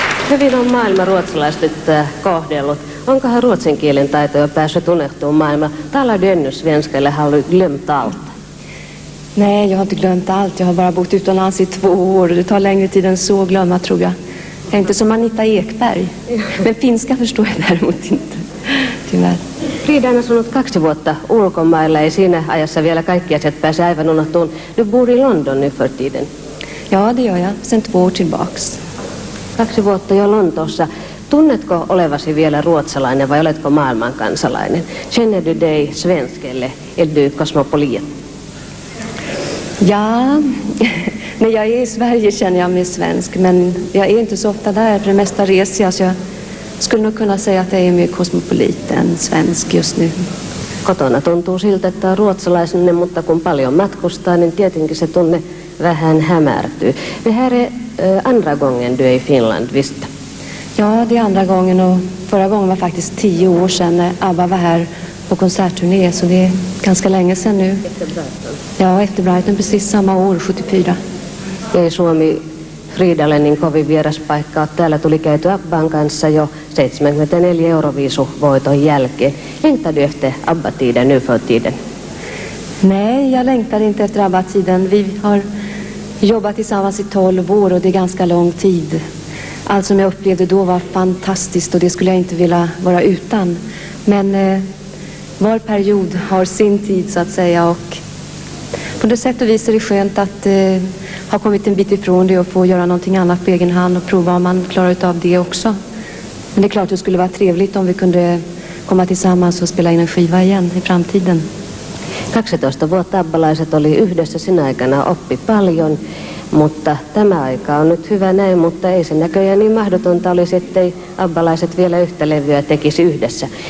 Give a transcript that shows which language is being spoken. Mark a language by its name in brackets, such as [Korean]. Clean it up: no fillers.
[Finnish] Hyvin on maailma ruotsalaistyttöä kohdellut. Onkohan ruotsin kielen taito jo päässyt unehtumaan maailmaan? [Swedish] Tala dennys svenskelle har du glömt allt. Nej, jag har inte glömt allt. Jag har bara bott utomlands i 2 år. Det tar längre tid än så att glömma, tror jag. Tänkte som Anita Ekberg. Men finska förstår jag däremot inte. Tyvärr. [Finnish] Frida on asunut 2 vuotta ulkomailla ja siinä ajassa vielä kaikki asiat pääsee aivan unohtuun. [Swedish] Du bor i London nu för tiden. Ja, det gör jag. Sen 2 år tillbaks. [Finnish] 2 vuotta jo Lontoossa. Tunnetko olevasi vielä ruotsalainen vai oletko maailmankansalainen? [Swedish] Känner du dig svensk eller är du kosmopolit? Ja, när jag är i Sverige känner jag mig svensk, men jag är inte så ofta där. Det mesta reser jag, så jag skulle nog kunna säga att jag är mer kosmopolit än svensk just nu. [Finnish] Kotona tuntuu siltä, että on ruotsalaisenne, mutta kun paljon matkustaa, niin tietenkin se tunne vähän hämärtyy. [Swedish] Det här är andra gången du är i Finland, visst? Ja, det är andra gången och förra gången var faktiskt 10 år sedan när ABBA var här på konsertturné, så det är ganska länge sedan nu. Efter Brighton. Ja, efter Brighton, precis samma år, 74. [Finnish] Ei Suomi Fridalle niin kovin vieras paikka. Täällä tuli käyty ABBAn kanssa jo 74 Euroviisu-voiton jälkeen. [Swedish] Längtar du efter ABBA-tiden nu för tiden? Nej, jag längtar inte efter ABBA-tiden. Vi har jobbat tillsammans i 12 år och det är ganska lång tid. Allt som jag upplevde då var fantastiskt och det skulle jag inte vilja vara utan. Men var period har sin tid så att säga, och på det sätt och vis är det skönt att ha kommit en bit ifrån det och få göra någonting annat på egen hand och prova om man klarar av det också. Men det är klart att det skulle vara trevligt om vi kunde komma tillsammans och spela in en skiva igen i framtiden. [Finnish] 12 vuotta abbalaiset oli yhdessä sinä aikana, oppi paljon. Mutta tämä aika on nyt hyvä näin, mutta ei se näköjään niin mahdotonta olisi, ettei abbalaiset vielä yhtä levyä tekisi yhdessä.